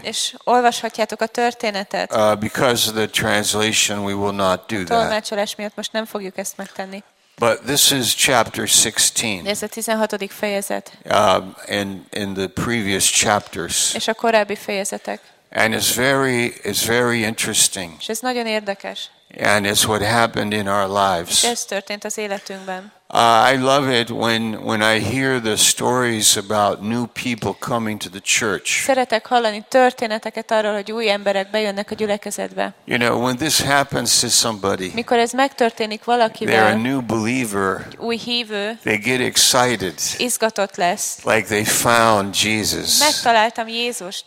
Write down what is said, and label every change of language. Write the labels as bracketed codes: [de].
[hu] És olvashatjátok a történetet. [en] Because of the translation, we will not do that. [hu] Tolmácsolás miatt most nem fogjuk ezt megtenni. [en] But this is chapter 16. [hu] Ez a 16. fejezet. [en] In the previous chapters. [hu] És a korábbi fejezetek. [en] And it's very interesting. [hu] És ez nagyon érdekes. [en] And it's what happened in our lives. [hu] Ez történt az életünkben. [en] I love it when I hear the stories about new people coming to the church. [hu] Szeretek hallani történeteket arról, hogy új emberek bejönnek a gyülekezetbe. [en] You know, when this happens to somebody. [hu] Mikor ez megtörténik valakivel. [en] They're a new believer. [hu] Új hívő. [en] They get excited. [hu] Izgatott lesz. [en] Like they found Jesus. [hu] Megtaláltam Jézust.